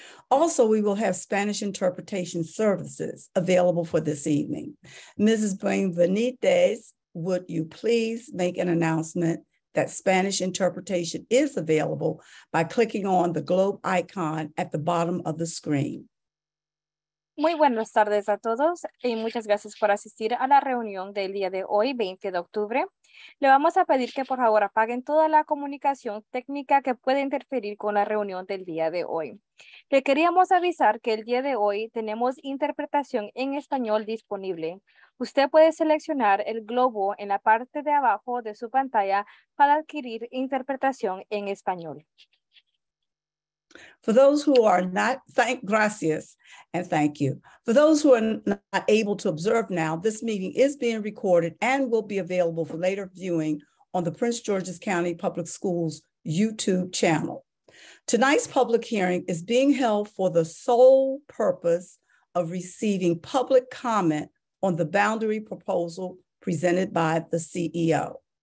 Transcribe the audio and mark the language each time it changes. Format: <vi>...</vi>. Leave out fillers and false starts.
<en>Also, we will have Spanish interpretation services available for this evening. Mrs. Benitez, would you please make an announcement that Spanish interpretation is available by clicking on the globe icon at the bottom of the screen.</en> <es>Muy buenas tardes a todos y muchas gracias por asistir a la reunión del día de hoy, 20 de octubre. Le vamos a pedir que por favor apaguen toda la comunicación técnica que puede interferir con la reunión del día de hoy. Le queríamos avisar que el día de hoy tenemos interpretación en español disponible. Usted puede seleccionar el globo en la parte de abajo de su pantalla para adquirir interpretación en español.</es> <en>For those who are not, gracias and thank you. For those who are not able to observe now, this meeting is being recorded and will be available for later viewing on the Prince George's County Public Schools YouTube channel. Tonight's public hearing is being held for the sole purpose of receiving public comment on the boundary proposal presented by the CEO.</en>